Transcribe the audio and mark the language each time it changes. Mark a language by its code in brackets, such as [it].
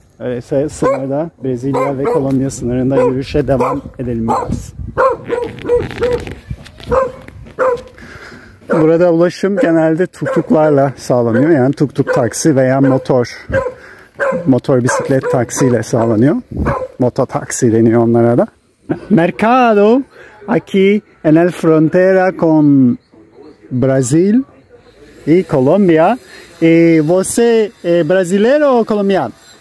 [tr] Öyleyse sınırda Brezilya ve Kolombiya sınırında yürüyüşe devam edelim biraz. Burada ulaşım genelde tuk-tuklarla sağlanıyor. Yani tuk-tuk taksi veya motor bisiklet taksiyle sağlanıyor. Moto taksi deniyor onlara da. [es] Mercado aquí en el frontera con Brasil y Colombia. ¿Y [pt] você brasileiro [es] o colombiano?